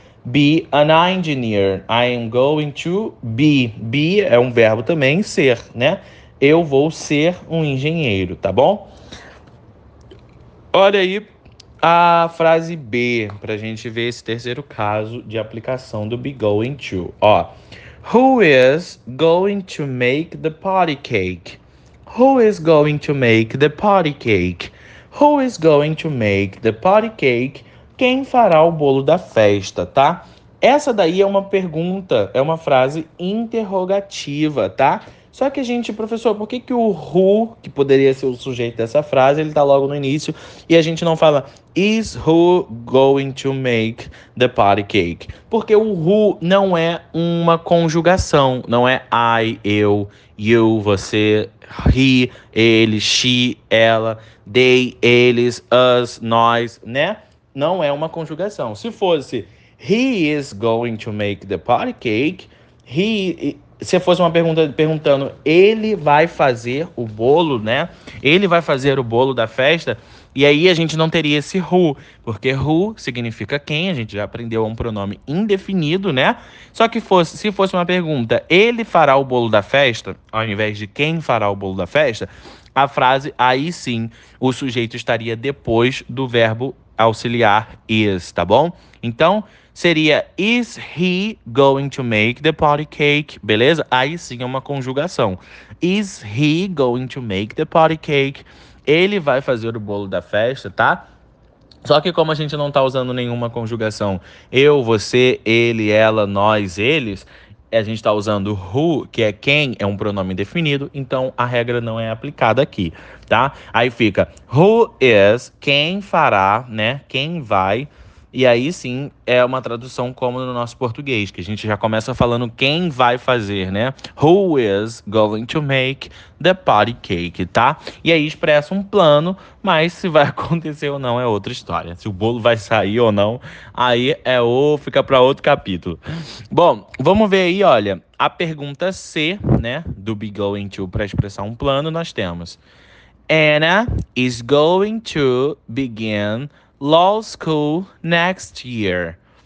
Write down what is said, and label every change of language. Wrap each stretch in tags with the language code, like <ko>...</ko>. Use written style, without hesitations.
<en>Be an engineer. I am going to be.</en> <pt>Be é um verbo também, ser, né? Eu vou ser um engenheiro, tá bom? Olha aí a frase B, para a gente ver esse terceiro caso de aplicação do be going to.</pt> <en>Ó, who is going to make the party cake? Who is going to make the party cake? Who is going to make the party cake?</en> <pt>Quem fará o bolo da festa, tá? Essa daí é uma pergunta, é uma frase interrogativa, tá? Só que a gente, professor, por que que o who, que poderia ser o sujeito dessa frase, ele tá logo no início e a gente não fala</pt> <en>is who going to make the party cake?</en> <pt>Porque o who não é uma conjugação, não é I, eu, you, você, he, ele, she, ela, they, eles, us, nós, né? Não é uma conjugação. Se fosse</pt> <en>he is going to make the party cake,</en> <pt>he. Se fosse uma pergunta perguntando, ele vai fazer o bolo, né? Ele vai fazer o bolo da festa? E aí a gente não teria esse who, porque who significa quem? A gente já aprendeu um pronome indefinido, né? Só que fosse, se fosse uma pergunta, ele fará o bolo da festa? Ao invés de quem fará o bolo da festa? A frase, aí sim, o sujeito estaria depois do verbo auxiliar is, tá bom? Então, seria</pt> <en>is he going to make the party cake?</en> <pt>Beleza? Aí sim é uma conjugação.</pt> <en>Is he going to make the party cake?</en> <pt>Ele vai fazer o bolo da festa, tá? Só que como a gente não tá usando nenhuma conjugação, eu, você, ele, ela, nós, eles, a gente tá usando who, que é quem, é um pronome indefinido, então a regra não é aplicada aqui, tá? Aí fica</pt> <en>who is,</en> <pt>quem fará, né? Quem vai. E aí sim é uma tradução como no nosso português, que a gente já começa falando quem vai fazer, né?</pt> <en>Who is going to make the party cake, tá?</en> <pt>E aí expressa um plano, mas se vai acontecer ou não é outra história. Se o bolo vai sair ou não, aí é o fica para outro capítulo. Bom, vamos ver aí, olha, a pergunta C, né, do be going to para expressar um plano, nós temos</pt> <en>Anna is going to begin law school next year.</en>